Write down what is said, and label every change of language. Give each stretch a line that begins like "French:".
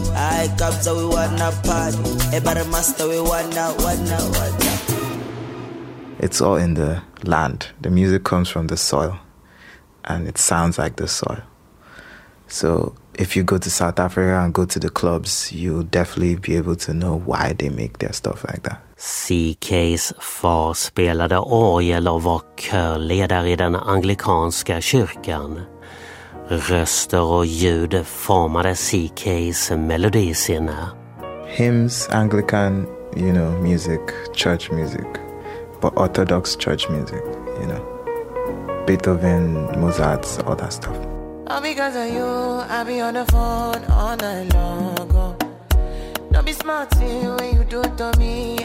English: I Kabza we wana party. Hey bare master we wana. It's all in the land. The music comes from the soil and it sounds like the soil. So if you go to South Africa and go to the clubs, you'll definitely be able to know why they make their stuff like that.
Swedish: CK's far spelade orgel och var körledare i den anglikanska kyrkan. Röster och ljud formade CK's melodisinne.
English: Hymns, Anglican, you know, music, church music, but orthodox church music, you know. Beethoven, Mozart, all that stuff. All because of you, I be on the phone all night long. Don't be smart when you do it to me.